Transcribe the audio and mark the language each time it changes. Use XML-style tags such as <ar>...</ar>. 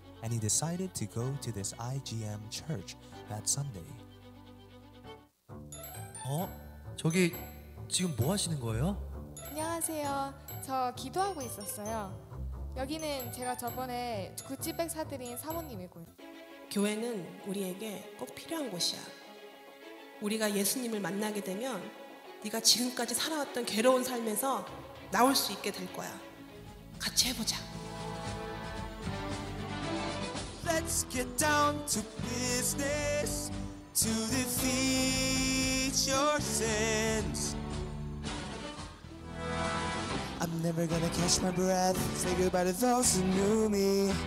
<en>And he decided to go to this IGM church that Sunday.</en> <ko>저기 지금 뭐 하시는 거예요? 안녕하세요. 저 기도하고 있었어요. 여기는 제가 저번에 구찌백 사드린 사모님이고요. 교회는 우리에게 꼭 필요한 곳이야. 우리가 예수님을 만나게 되면 네가 지금까지 살아왔던 괴로운 삶에서 나올 수 있게 될 거야. 같이 해보자.</ko> <en>Let's get down to business to defeat your sins. I'm never gonna catch my breath. Say goodbye to those who knew me.</en>